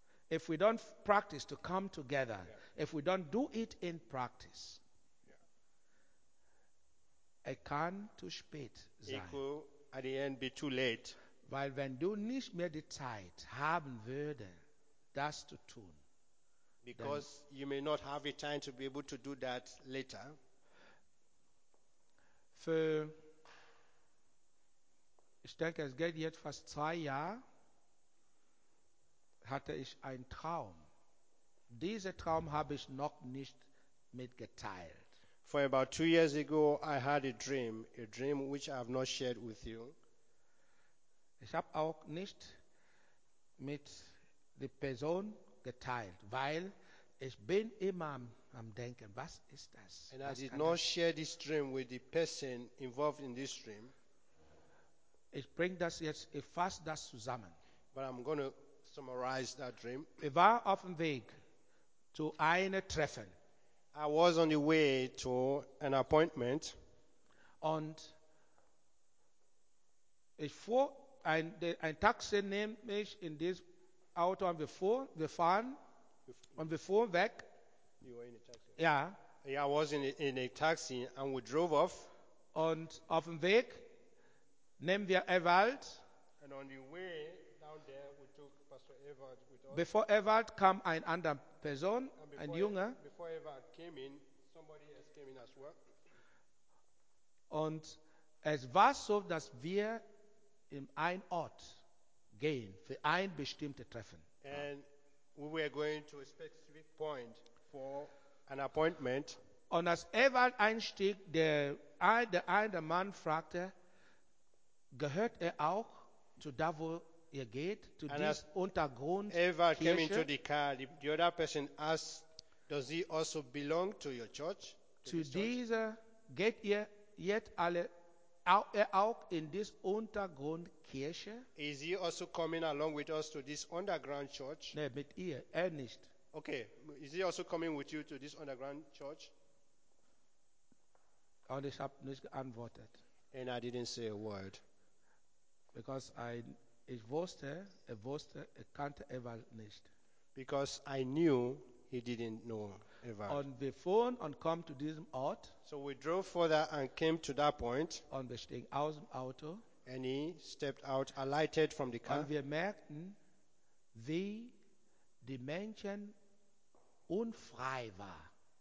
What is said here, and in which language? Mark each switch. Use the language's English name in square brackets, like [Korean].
[English] If we don't practice to come together, yeah. If we don't do it in practice, yeah. [German] Es kann zu spät sein. [English] It could at the end be too late. [German] Weil wenn du nicht mehr die Zeit haben würde, das zu tun, [English] because then, you may not have the time to be able to do that later. [German] Für, ich denke, es geht jetzt fast 2 Jahre. Hatte ich einen Traum. Diesen Traum habe ich noch nicht mitgeteilt. [English] For about 2 years ago, I had a dream which I have not shared with you. [German] Ich habe auch nicht mit der Person geteilt, weil ich bin immer am Denken, was ist das? [English] And I did not share this dream with the person involved in this dream. [German] Ich bring das jetzt, ich fasse das zusammen. [English] But I'm going to summarize that dream. [German] Wir waren auf dem Weg zu einem Treffen. [English] I was on the way to an appointment. [German] Und ich fuhr, ein Taxi nimmt mich in dieses Auto und wir fuhren weg. [English] You were in a taxi. Yeah. Yeah, I was in a taxi and we drove off. [German] Und auf dem Weg nehmen wir Ewald. [English] And on the way down there we took Pastor Ewald with us. Before [German] Ewald kam ein anderer Person, ein Junge. [English] Before Ewald came in, somebody else came in as well. [German] Und es war so, dass wir in ein Ort gehen für ein bestimmtes Treffen. [English] And we were going to a specific point for an appointment. [German] Und als Ewald einstieg, der Mann fragte, gehört auch zu da, wo ihr geht, zu diesem Untergrund? [English] Ewald came into the car. The other person asked, does he also belong to your church? [German] Zu dieser, geht ihr jetzt alle auch [English] in this [German] Untergrund Kirche? [English] Is he also coming along with us to this underground church? [German] Nee, mit ihr, er nicht. [English] Okay, is he also coming with you to this underground church? [German] Und ich habe nicht geantwortet. [English] And I didn't say a word. Because [German] ich wusste, ich kannte Ewald nicht. [English] Because I knew he didn't know Ewald. [German] Und wir fuhren und kommen zu diesem Ort. [English] So we drove further and came to that point. [German] Und wir stiegen aus dem Auto. [English] And he stepped out, alighted from the car. [German] Und wir merkten, wie die Menschen unfrei war.